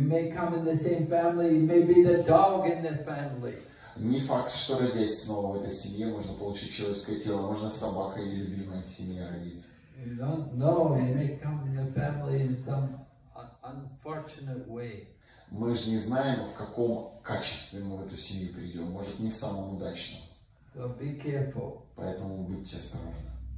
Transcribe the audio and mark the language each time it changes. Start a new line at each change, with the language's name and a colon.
English: You may come in the same family, you may be the dog in the family.
Russian: Не факт, что родясь снова в этой семье, можно получить человеческое тело, можно собака или любимая в семье родиться.
English: You don't know, you may come in the family in some unfortunate way.
Russian: Мы же не знаем, в каком качестве мы в эту семью придем, может, не в самом удачном.
English: So be careful.
Russian: Поэтому будьте осторожны.